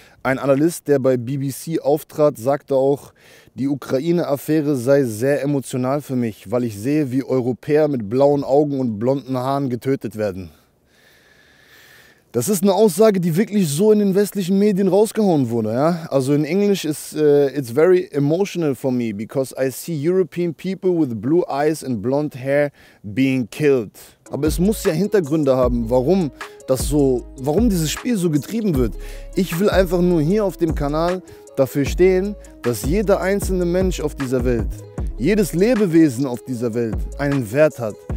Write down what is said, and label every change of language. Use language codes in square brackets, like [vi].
[de] Ein Analyst, der bei BBC auftrat, sagte auch, die Ukraine-Affäre sei sehr emotional für mich, weil ich sehe, wie Europäer mit blauen Augen und blonden Haaren getötet werden. Das ist eine Aussage, die wirklich so in den westlichen Medien rausgehauen wurde. Ja? Also in Englisch ist [en] it's very emotional for me, because I see European people with blue eyes and blonde hair being killed. [de] Aber es muss ja Hintergründe haben, warum dieses Spiel so getrieben wird. Ich will einfach nur hier auf dem Kanal dafür stehen, dass jeder einzelne Mensch auf dieser Welt, jedes Lebewesen auf dieser Welt einen Wert hat.